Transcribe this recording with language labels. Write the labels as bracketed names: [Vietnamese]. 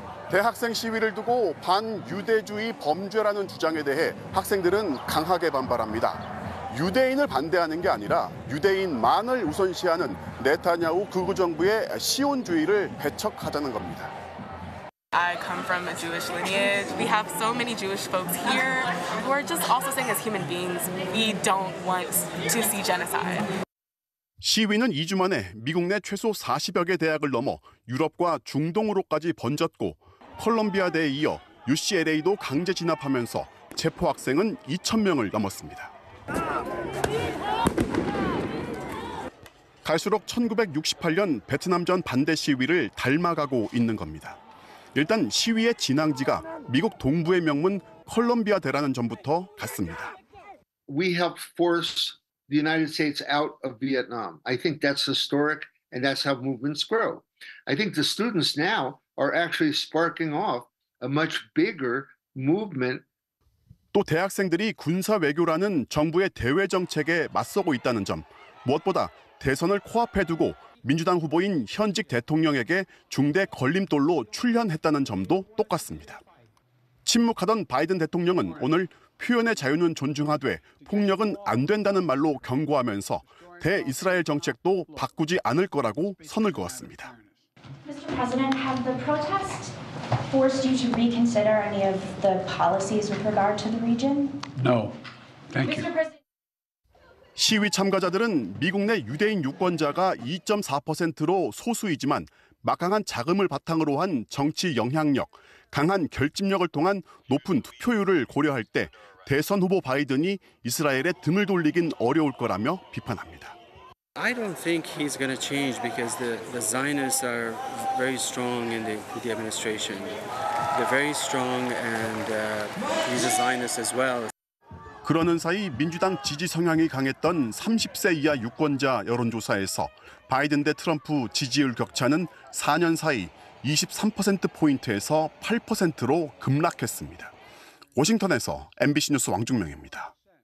[Korean] 대학생 시위를 두고 반유대주의 범죄라는 주장에 대해 학생들은 강하게 반발합니다. 유대인을 반대하는 게 아니라 유대인만을 우선시하는 네타냐후 극우 정부의 시온주의를 배척하자는 겁니다. [English] I come from a Jewish lineage. We have so many Jewish folks here who are just also saying as human beings, we don't want to see genocide. [Korean] 시위는 2주 만에 미국 내 최소 40여 개 대학을 넘어 유럽과 중동으로까지 번졌고 콜롬비아대에 이어 UCLA도 강제 진압하면서 체포 학생은 2천 명을 넘었습니다. 갈수록 1968년 베트남전 반대 시위를 닮아가고 있는 겁니다. 일단 시위의 진앙지가 미국 동부의 명문 컬럼비아 대라는 점부터 같습니다. [English] We helped force the United States out of Vietnam. I think that's historic and that's how movements grow. I think the students now are actually sparking off a much bigger movement. [Korean] 또 대학생들이 군사 외교라는 정부의 대외 정책에 맞서고 있다는 점. 무엇보다 대선을 코앞에 두고 민주당 후보인 현직 대통령에게 중대 걸림돌로 출연했다는 점도 똑같습니다. 침묵하던 바이든 대통령은 오늘 표현의 자유는 존중하되 폭력은 안 된다는 말로 경고하면서 대이스라엘 정책도 바꾸지 않을 거라고 선을 그었습니다. [English] Mr. President, have the protests forced you to reconsider any of the policies with regard to the region? No. Thank you. [Korean] 시위 참가자들은 미국 내 유대인 유권자가 2.4%로 소수이지만 막강한 자금을 바탕으로 한 정치 영향력, 강한 결집력을 통한 높은 투표율을 고려할 때 대선 후보 바이든이 이스라엘에 등을 돌리긴 어려울 거라며 비판합니다. [English] I don't think he's going to change because the Zionists are very strong in the administration. They're very strong and he's a Zionist as well. [Korean] 그러는 사이 민주당 지지 성향이 강했던 30세 이하 유권자 여론조사에서 바이든 대 트럼프 지지율 격차는 4년 사이 23%포인트에서 8%로 급락했습니다. 워싱턴에서 MBC 뉴스 왕중명입니다.